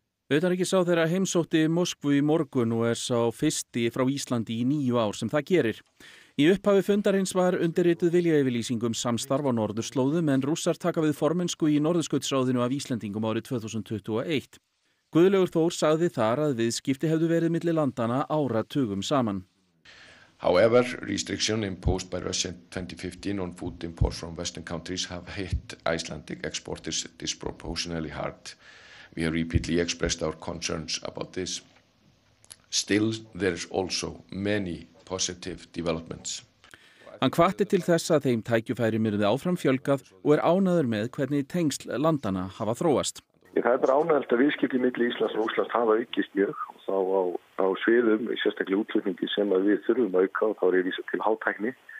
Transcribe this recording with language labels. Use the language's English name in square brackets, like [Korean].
[Icelandic] Utanríkisráðherra heimsótti Moskvu í morgun og sá fyrsti frá Íslandi í 9 ár sem það gerir. Í upphafi fundarins var undirrituð viljayfirlýsing samstarf á norðurslóðum en Rússar taka við formennsku í norðurskautsráðinu af Íslendingum árið 2021. Guðlaugur Þór sagði þar að viðskipti hefðu verið milli landanna áratugum saman. [English] However, restriction imposed by Russia in 2015 on food imports from Western countries have hit Icelandic exporters disproportionately hard. We have repeatedly expressed our concerns about this. Still, there is also many positive developments. [Icelandic] Hann hvatti til þess að þeim tækjufæri myrði áfram fjölgað og ánægður með hvernig tengsl landanna hafa þróast. Það bara ánægjulegt að viðskipti milli Íslands og Rússlands hafa aukist mjög og þá á sviðum, sérstaklega útflutningi sem að við þurfum að auka og þá ég vísa til hátækni.